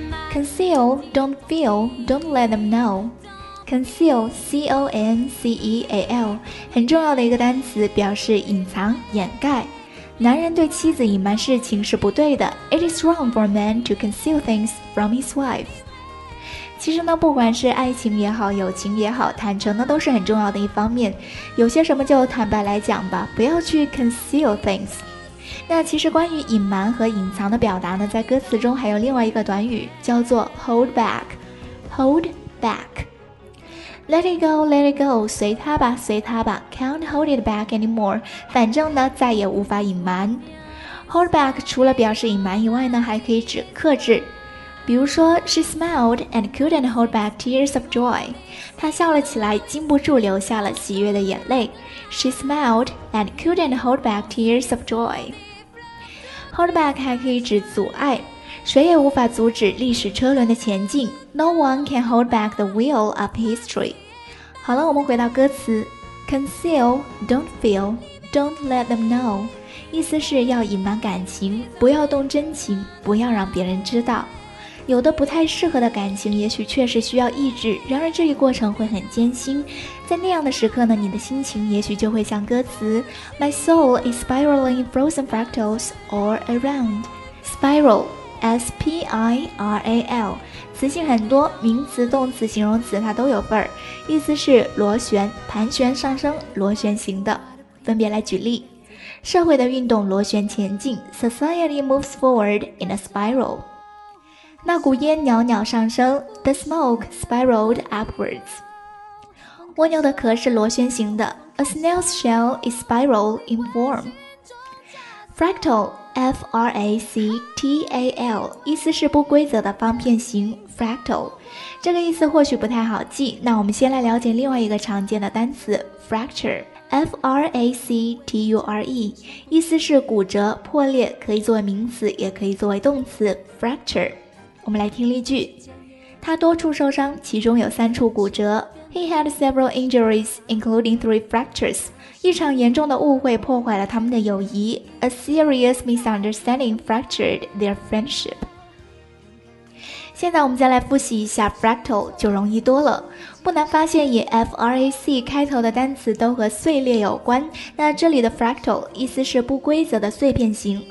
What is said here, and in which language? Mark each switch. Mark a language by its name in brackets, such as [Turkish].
[English] Conceal, don't feel, don't let them know. [Chinese] Conceal, C-O-N-C-E-A-L, 很重要的一个单词，表示隐藏、掩盖。男人对妻子隐瞒事情是不对的。 [English] It is wrong for a man to conceal things from his wife. [Chinese] 其实呢，不管是爱情也好，友情也好，坦诚呢都是很重要的一方面。有些什么就坦白来讲吧，不要去 [English] conceal things。 [Chinese] 那其实关于隐瞒和隐藏的表达呢，在歌词中还有另外一个短语，叫做 hold back, hold back. [English] Let it go, let it go, [Chinese] 随他吧，随他吧 [English] ,can't hold it back anymore, [Chinese] 反正呢再也无法隐瞒。 Hold back 除了表示隐瞒以外呢，还可以指克制。比如说 [English] ,she smiled and couldn't hold back tears of joy. [Chinese] 她笑了起来，禁不住流下了喜悦的眼泪。 [English] She smiled and couldn't hold back tears of joy. [Chinese] Hold back 还可以指阻碍。谁也无法阻止历史车轮的前进。 [English] No one can hold back the wheel of history. [Chinese] 好了，我们回到歌词。 Conceal, don't feel, don't let them know. 意思是要隐瞒感情，不要动真情，不要让别人知道。有的不太适合的感情，也许确实需要抑制，然而这一过程会很艰辛。在那样的时刻呢，你的心情也许就会像歌词 [English] My soul is spiraling frozen fractals all around. Spiral. [Chinese] S-P-I-R-A-L 词性很多，名词、动词、形容词它都有份儿，意思是螺旋、盘旋、上升、螺旋形的。分别来举例，社会的运动螺旋前进， [English] Society moves forward in a spiral. [Chinese] 那股烟袅袅上升， [English] The smoke spiraled upwards. [Chinese] 蜗牛的壳是螺旋形的， [English] A snail's shell is spiral in form. [Chinese] FractalFRACTAL 意思是不规则的方片形 Fractal 这个意思或许不太好记，那我们先来了解另外一个常见的单词 Fracture FRACTURE 意思是骨折、破裂，可以作为名词也可以作为动词 Fracture。我们来听例句，他多处受伤，其中有三处骨折。 [English] He had several injuries, including three fractures. [Chinese] 一场严重的误会破坏了他们的友谊。 [English] A serious misunderstanding fractured their friendship. [Chinese] 现在我们再来复习一下 fractal, 就容易多了。不难发现以 FRAC 开头的单词都和碎裂有关。那这里的 fractal 意思是不规则的碎片形。